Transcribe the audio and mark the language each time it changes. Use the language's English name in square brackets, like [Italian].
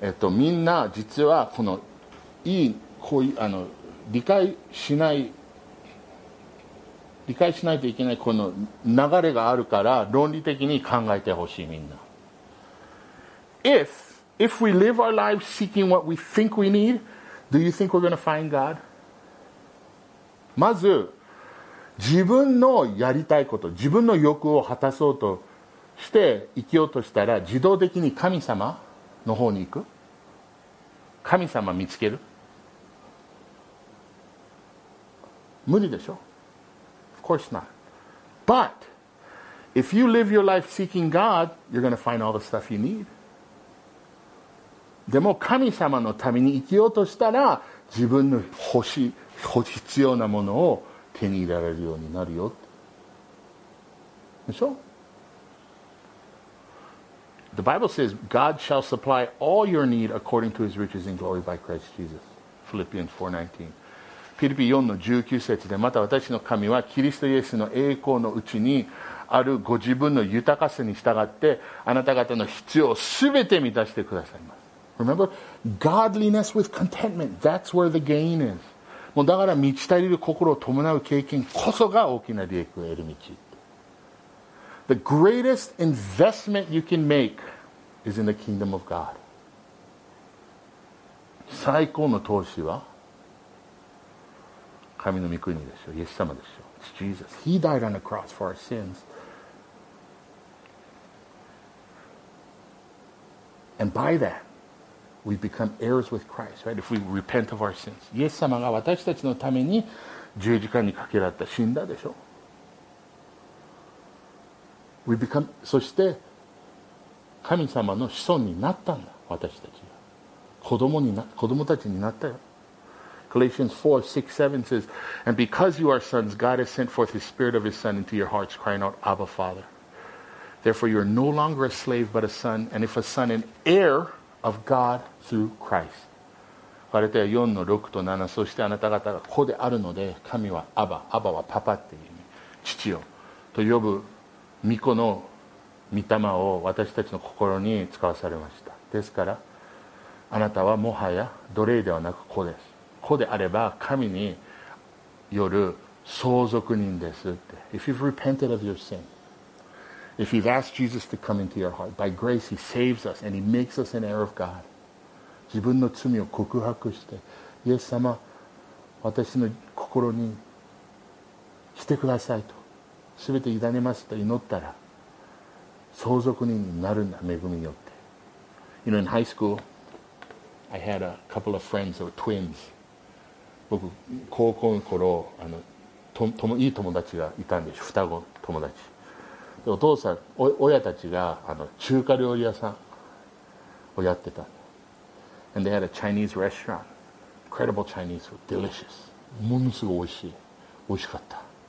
[Japanese] みんな実はこのいい、こういう、理解しないといけないこの流れがあるから論理的に考えてほしい、みんな。 [English] If we live our lives seeking what we think we need, do you think we're going to find God? [Japanese] まず、自分のやりたいこと、自分の欲を果たそうとして生きようとしたら、自動的に神様の方に行く？神様見つける？無理でしょ？ [English] Of course not. But, if you live your life seeking God, you're going to find all the stuff you need. [Japanese] でも神様のために生きようとしたら自分の必要なものを手に入れられるようになるよ。でしょ？ [English] The Bible says God shall supply all your need according to his riches in glory by Christ Jesus. Philippians 4:19. [Japanese] ピリピ4の19節で、また私の神はキリストイエスの栄光のうちにあるご自分の豊かさに従ってあなた方の必要をすべて満たしてくださいます。 [English] Remember, godliness with contentment, that's where the gain is. [Japanese] もうだから満ち足りる心を伴う経験こそが大きな利益を得る道。 [English] The greatest investment you can make is in the kingdom of God. [Japanese] 最高の投資は神の御国でしょ、イエス様でしょ。 [English] It's Jesus. He died on the cross for our sins. And by that, We become heirs with Christ, right? If we repent of our sins. [Japanese] イエス様が私たちのために十字架にかけられた死んだでしょ。 [English] We become, [Japanese] そして神様の子孫になったんだ私たちは。子供たちになったよ。 [English] Galatians 4, 6, 7 says, And because you are sons, God has sent forth His Spirit of His Son into your hearts, crying out, Abba, Father. Therefore, you are no longer a slave, but a son, and if a son, an heir of God through Christ. [Japanese] ガラテヤ 4, の6と7、そしてあなた方が子であるので、神はアバ、アバはパパっていう意味、父よ、と呼ぶ御子の御霊を私たちの心に使わされました。ですから、あなたはもはや奴隷ではなく子です。子であれば神による相続人ですって。 [English] If you've repented of your sin, if you've asked Jesus to come into your heart, by grace He saves us and He makes us an heir of God. [Japanese] 自分の罪を告白して、イエス様、私の心にしてくださいと、すべて委ねますと祈ったら、相続人になるんだ、恵みによって。 [English] You know, in high school, I had a couple of friends that were twins. [Japanese] 僕高校の頃あのいい友達がいたんでしょ双子の友達でお父さん親たちがあの中華料理屋さんをやってた [English] And they had a Chinese restaurant Incredible Chinese food, delicious [Japanese] ものすごい美味しい美味しかった